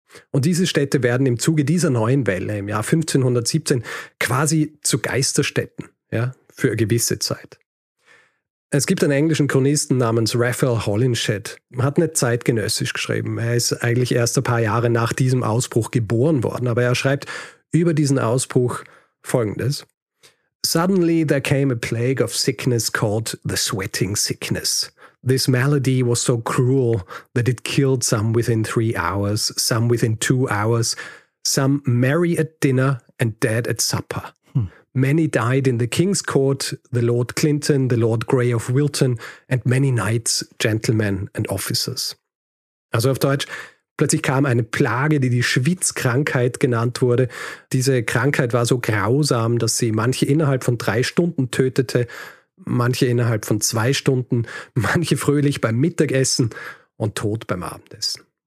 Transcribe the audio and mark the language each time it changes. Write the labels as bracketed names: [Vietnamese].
[German] Und diese Städte werden im Zuge dieser neuen Welle im Jahr 1517 quasi zu Geisterstädten, ja, für eine gewisse Zeit. Es gibt einen englischen Chronisten namens Raphael Holinshed, hat nicht zeitgenössisch geschrieben. Er ist eigentlich erst ein paar Jahre nach diesem Ausbruch geboren worden, aber er schreibt über diesen Ausbruch Folgendes. [English] Suddenly there came a plague of sickness called the sweating sickness. This malady was so cruel that it killed some within 3 hours, some within 2 hours, some merry at dinner and dead at supper. Many died in the king's court, the Lord Clinton, the Lord Grey of Wilton, and many knights, gentlemen and officers. [German] Also auf Deutsch, plötzlich kam eine Plage, die die Schwitzkrankheit genannt wurde. Diese Krankheit war so grausam, dass sie manche innerhalb von 3 Stunden tötete, manche innerhalb von 2 Stunden, manche fröhlich beim Mittagessen und tot beim Abendessen.